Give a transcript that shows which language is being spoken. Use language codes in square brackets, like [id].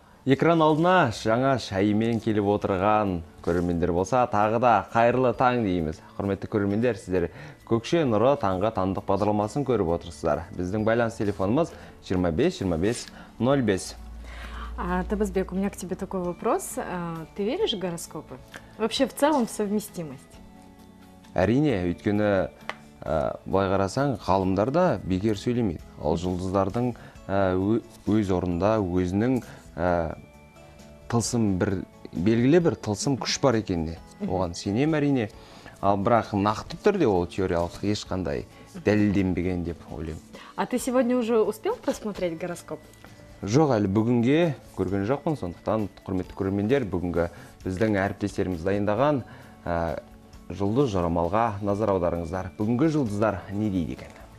[kk] Экран алдына жаңа шайымен келіп отырған көрермендер болса, тағы да қайырлы таң дейміз. Құрметті көрермендер, сіздер Көкше Нұры таңғы таңдық бағдарламасын көріп отырсыздар. Біздің байланыс телефонымыз 25-25-05. [ru] Табасбек, у меня к тебе такой вопрос. Ты веришь в гороскопы? Вообще, в целом, в совместимость? [kk] Әрине, өйткені байғарасаң, ғалымдар да бекер сөйлемейді. Ал жұлдыздардың өз орында, өзінің тылсым бір, белгілі бір тылсым күш бар екенде. Оған сенем әрине. Ал бірақ нақты түрде ол теориялық ешқандай дәлелденбеген деп ойлаймын. [ru] А ты сегодня уже успел просмотреть гороскоп? [kk] Жоқ, әлі бүгінге көрген жоқпын, сондықтан құрметті көрермендер, бүгінгі біздің әріптестеріміз дайындаған жұлдыз жорамалға назар аударыңыздар. Бүгінгі жұлдыздар не дейді екен?